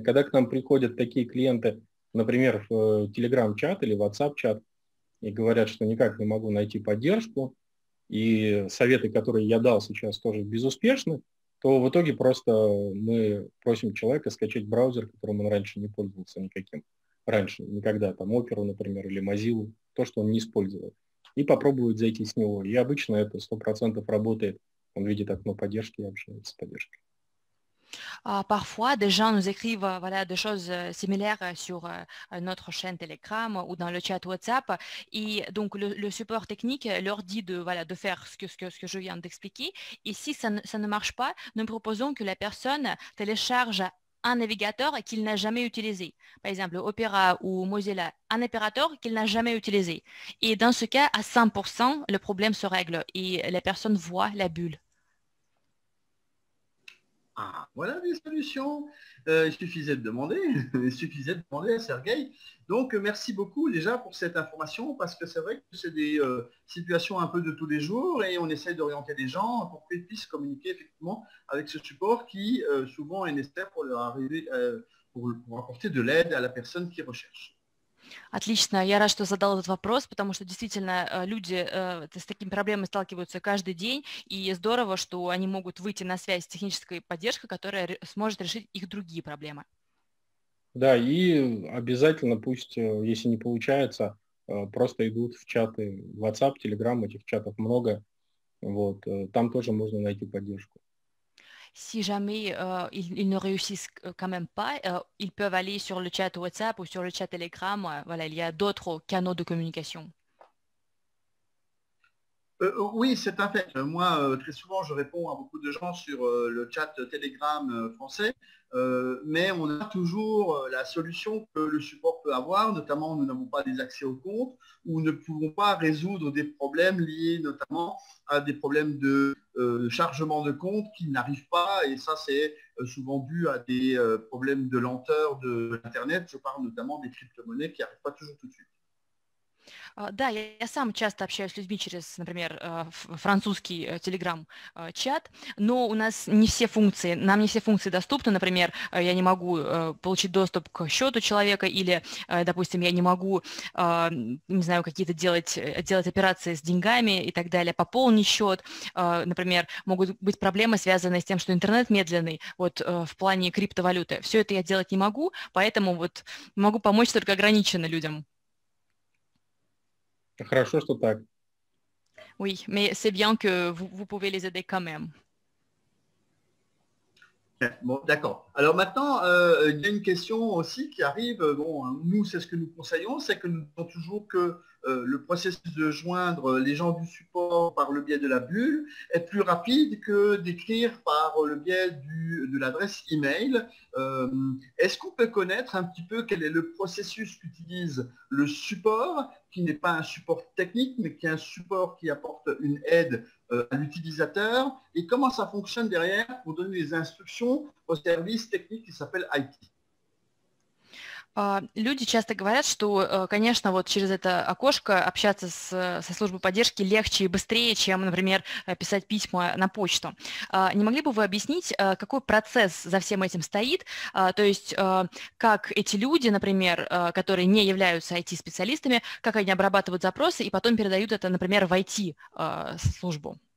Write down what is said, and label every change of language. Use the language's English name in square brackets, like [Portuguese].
[Russian] Когда к нам приходят такие клиенты, например, в Telegram-чат или WhatsApp-чат, и говорят, что никак не могу найти поддержку, и советы, которые я дал сейчас, тоже безуспешны, то в итоге просто мы просим человека скачать браузер, которым он раньше не пользовался никаким. Раньше, никогда. Там Opera, например, или Mozilla. То, что он не использовал. И попробовать зайти с него. И обычно это 100% работает. Он видит окно поддержки и общается с поддержкой. [French] Parfois, des gens nous écrivent voilà, des choses similaires sur notre chaîne Telegram ou dans le chat WhatsApp. Et donc, le support technique leur dit de, voilà, de faire ce que je viens d'expliquer. Et si ça ne marche pas, nous proposons que la personne télécharge un navigateur qu'il n'a jamais utilisé. Par exemple, Opera ou Mozilla, un opérateur qu'il n'a jamais utilisé. Et dans ce cas, à 100%, le problème se règle et la personne voit la bulle. Ah, voilà des solutions. Il suffisait de demander à Sergueï. Donc, merci beaucoup déjà pour cette information, parce que c'est vrai que c'est des situations un peu de tous les jours, et on essaie d'orienter les gens pour qu'ils puissent communiquer effectivement avec ce support qui, souvent, est nécessaire pour leur arriver, pour apporter de l'aide à la personne qui recherche. [Russian] Отлично, я рад, что задал этот вопрос, потому что действительно люди с такими проблемами сталкиваются каждый день, и здорово, что они могут выйти на связь с технической поддержкой, которая сможет решить их другие проблемы. Да, и обязательно пусть, если не получается, просто идут в чаты WhatsApp, Telegram, этих чатов много, вот, там тоже можно найти поддержку. [French] Si jamais ils ne réussissent quand même pas, ils peuvent aller sur le chat WhatsApp ou sur le chat Telegram. Voilà, il y a d'autres canaux de communication. Oui, c'est un fait. Moi, très souvent, je réponds à beaucoup de gens sur le chat Telegram français, mais on a toujours la solution que le support peut avoir, notamment nous n'avons pas des accès au compte ou ne pouvons pas résoudre des problèmes liés notamment à des problèmes de chargement de compte qui n'arrivent pas, et ça, c'est souvent dû à des problèmes de lenteur de l'Internet. Je parle notamment des crypto-monnaies qui n'arrivent pas toujours tout de suite. [Russian] Да, я сам часто общаюсь с людьми через, например, французский телеграм-чат, но у нас не все функции, нам не все функции доступны, например, я не могу получить доступ к счету человека или, допустим, я не могу, не знаю, какие-то делать операции с деньгами и так далее, пополнить счет, например, могут быть проблемы, связанные с тем, что интернет медленный, вот в плане криптовалюты. Все это я делать не могу, поэтому вот могу помочь только ограниченно людям. Хорошо, что так. [French] Oui, mais c'est bien que vous pouvez les aider quand même. Bon, d'accord. Alors maintenant, il y a une question aussi qui arrive. Bon, nous, c'est ce que nous conseillons, c'est que nous disons toujours que le processus de joindre les gens du support par le biais de la bulle est plus rapide que d'écrire par le biais de l'adresse email. Est-ce qu'on peut connaître un petit peu quel est le processus qu'utilise le support, qui n'est pas un support technique, mais qui est un support qui apporte une aide à l'utilisateur, et comment ça fonctionne derrière pour donner les instructions au service technique qui s'appelle IT? [Russian] Люди часто говорят, что, конечно, вот через это окошко общаться со службой поддержки легче и быстрее, чем, например, писать письма на почту. Не могли бы вы объяснить, какой процесс за всем этим стоит? То есть, как эти люди, например, которые не являются IT-специалистами, как они обрабатывают запросы и потом передают это, например, в IT-службу?